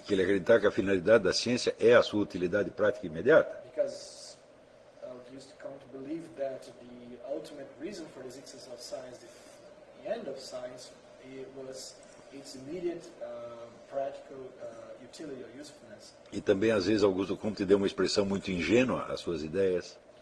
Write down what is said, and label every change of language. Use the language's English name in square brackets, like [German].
[Portuguese] Que ele acreditava que a finalidade da ciência é a sua utilidade prática imediata. [English] Because Augusto Conte believed that the ultimate reason for the existence of science, the end of science, it was its immediate practical utility or usefulness. [Portuguese] E também às vezes Augusto Conte deu uma expressão muito ingênua às suas ideias.